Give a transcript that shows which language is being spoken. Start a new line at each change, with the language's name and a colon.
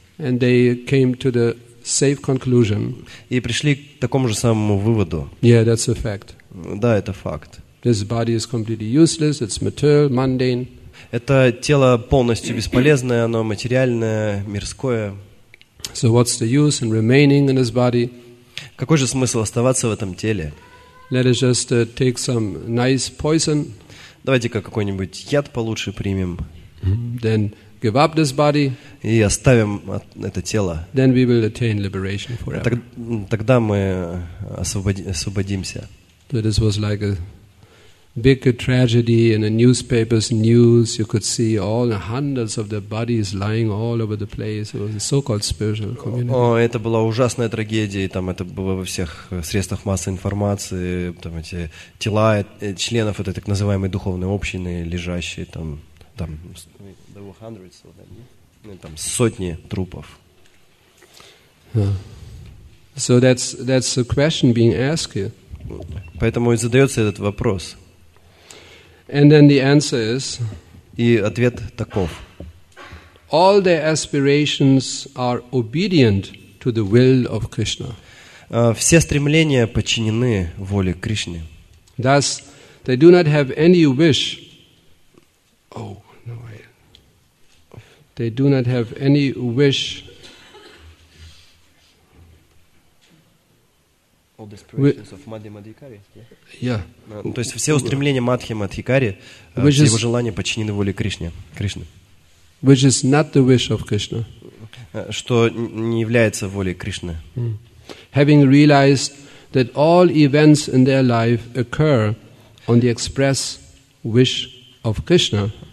English: And they came to the safe conclusion.
Russian: И пришли к такому же самому выводу.
English: Yeah, that's a fact.
Russian: Да, это факт.
English: This body is completely useless. It's material, mundane.
Russian: Это тело полностью бесполезное, оно материальное, мирское.
English: So what's the use in remaining in this body?
Russian: Какой же смысл оставаться в этом теле?
English: Let us just take some nice poison.
Russian: Давайте-ка какой-нибудь яд получше примем.
English: Then give up this body.
Russian: И оставим это тело.
English: Then we will attain liberation forever.
Russian: Тогда мы освободимся.
English: So this was like a big tragedy in the newspapers news. You could see all the hundreds of the bodies lying all over the place. It was a so-called spiritual community.
Russian: О, это была ужасная трагедия. Там это было во всех средствах массовой информации. Там эти тела членов этой так называемой духовной общины, лежащие там,
English: There were hundreds of them.
Russian: Там сотни трупов.
English: So that's the question being asked here.
Russian: Поэтому и задается этот вопрос.
English: And then the answer is.
Russian: И ответ таков.
English: All their aspirations are obedient to the will of Krishna.
Russian: Все стремления подчинены воле Кришны.
English: Thus, they do not have any wish. Oh no! They do not have any wish.
Russian: То есть все устремления Мадхи Мадхикари, все его желания подчинены воле Кришны.
English: Which is not the wish of Krishna.
Russian: Что не является волей Кришны.
English: Having realized that all events in their life occur on the express wish of Krishna.